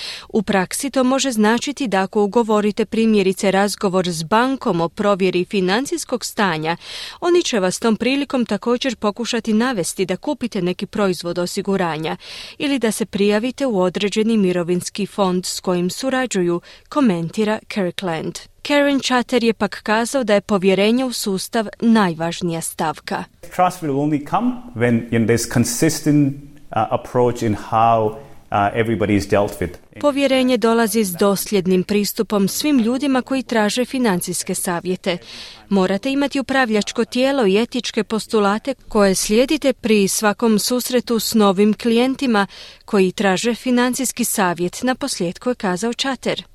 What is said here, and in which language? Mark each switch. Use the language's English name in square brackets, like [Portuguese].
[Croatian] U praksi to može značiti da ako ugovorite primjerice razgovor s bankom o provjeri financijskog stanja, oni će vas tom prilikom također pokušati navesti da kupite neki proizvod osiguranja ili da se prijavite u određeni mirovinski fond s kojim surađuju, komentira Kirkland. Karen Chatter je pak kazao da je povjerenje u sustav najvažnija stavka. [English] Trust will only come when there's consistent approach in how everybody is dealt with. [Croatian] Povjerenje dolazi s dosljednim pristupom svim ljudima koji traže financijske savjete. Morate imati upravljačko tijelo i etičke postulate koje slijedite pri svakom susretu s novim klijentima koji traže financijski savjet, naposljetku je kazao Chatter.